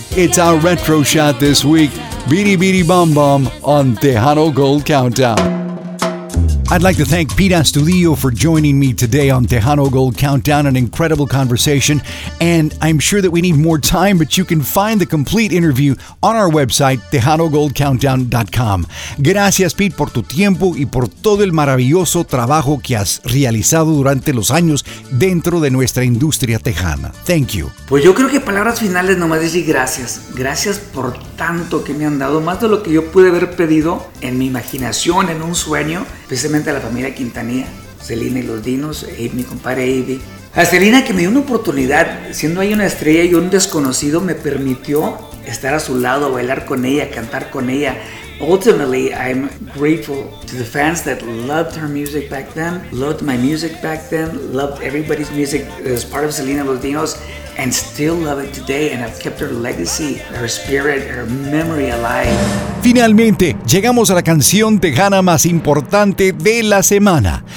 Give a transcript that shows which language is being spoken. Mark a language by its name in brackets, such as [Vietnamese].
[English] It's our retro shot this week. Beady Beady Bum Bum on Tejano Gold Countdown. I'd like to thank Pete Astudillo for joining me today on Tejano Gold Countdown, an incredible conversation. And I'm sure that we need more time, but you can find the complete interview on our website, TejanoGoldCountdown.com. [Spanish] Gracias, Pete, por tu tiempo y por todo el maravilloso trabajo que has realizado durante los años dentro de nuestra industria tejana. [English] Thank you. [Spanish] Pues yo creo que palabras finales nomás decir gracias. Gracias por tanto que me han dado, más de lo que yo pude haber pedido en mi imaginación, en un sueño, especialmente a la familia Quintanilla, Selena y los Dinos, y mi compadre Avi. A Selena, que me dio una oportunidad, siendo ahí una estrella y un desconocido, me permitió estar a su lado, bailar con ella, cantar con ella. [English] Ultimately, I'm grateful to the fans that loved her music back then, loved my music back then, loved everybody's music as part of Selena Los Dinos, and still love it today, and have kept her legacy, her spirit, her memory alive. [Spanish] Finalmente, llegamos a la canción tejana más importante de la semana.